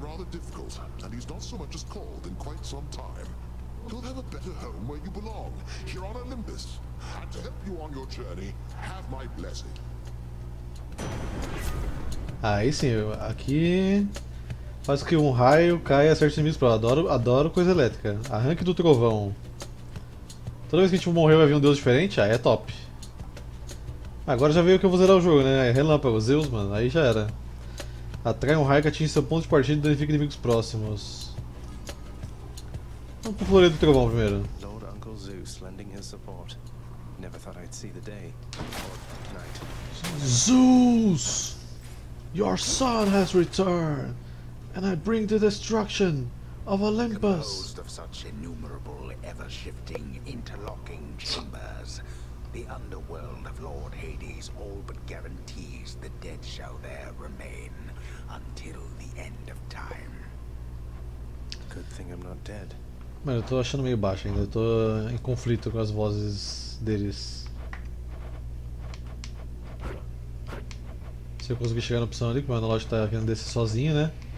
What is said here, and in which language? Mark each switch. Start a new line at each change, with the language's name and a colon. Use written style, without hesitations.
English: Difficult, and he's not so much as called in quite some time. You'll have a better home where you belong, here on Olympus. And to help you on your journey, have my blessing.
Portuguese: Aí sim, aqui faz que um raio caia certos inimigos. Pro adoro coisa elétrica. Arranque do trovão. Toda vez que a gente morreu vai vir um deus diferente? Aí é top. Agora já veio que eu vou zerar o jogo, né? Relâmpago, Zeus, mano, aí já era. Atrai um raio que atinge seu ponto de partida e danifica inimigos próximos. Vamos pro Floreio do Trovão primeiro.
English: Lord Uncle Zeus lending his support. Never thought I'd see the day. Night. Zeus! Your son has returned! And I bring the destruction of Olympus! Composed of such innumerable, ever-shifting, interlocking chambers. The underworld of Lord Hades all but guarantees the dead shall there remain. Until the end of time. Good thing I'm not dead.
Portuguese: Mas eu tô achando meio baixo ainda, eu tô em conflito com as vozes deles. Se eu conseguir chegar na opção ali, que o meu analógico tá querendo descer sozinho, né?